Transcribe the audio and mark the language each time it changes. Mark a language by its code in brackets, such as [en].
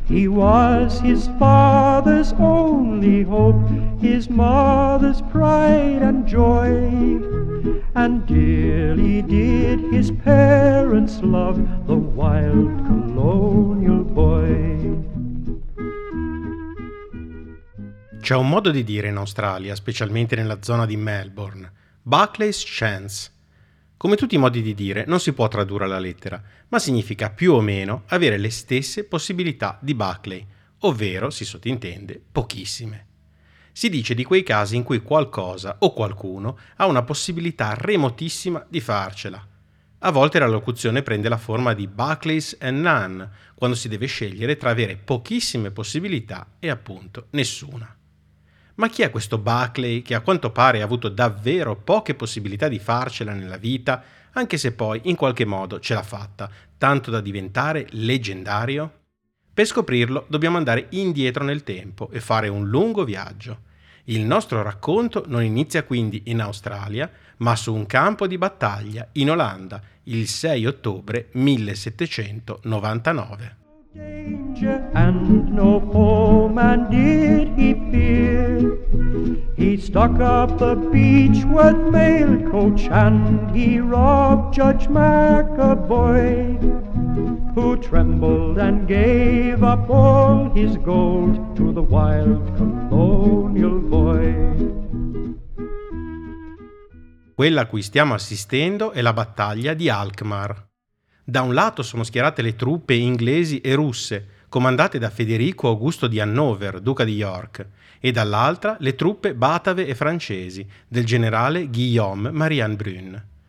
[en] He was his father's only hope, his mother's pride and joy. And dearly did his parents love the wild colonial boy. [it] C'è un modo di dire in Australia, specialmente nella zona di Melbourne, Buckley's Chance. Come tutti i modi di dire, non si può tradurre alla lettera, ma significa più o meno avere le stesse possibilità di Buckley, ovvero, si sottintende, pochissime. Si dice di quei casi in cui qualcosa o qualcuno ha una possibilità remotissima di farcela. A volte la locuzione prende la forma di Buckley's and none, quando si deve scegliere tra avere pochissime possibilità e appunto nessuna. Ma chi è questo Buckley che a quanto pare ha avuto davvero poche possibilità di farcela nella vita, anche se poi in qualche modo ce l'ha fatta, tanto da diventare leggendario? Per scoprirlo dobbiamo andare indietro nel tempo e fare un lungo viaggio. Il nostro racconto non inizia quindi in Australia, ma su un campo di battaglia in Olanda, il 6 ottobre 1799. [en] Danger and no foeman did he fear. He stuck up the beach with mail coach and he robbed Judge McAvoy, who trembled and gave up all his gold to the wild colonial boy. [it] Quella a cui stiamo assistendo è la battaglia di Alkmaar. Da un lato sono schierate le truppe inglesi e russe, comandate da Federico Augusto di Hannover, duca di York, e dall'altra le truppe batave e francesi, del generale Guillaume Marian Brun.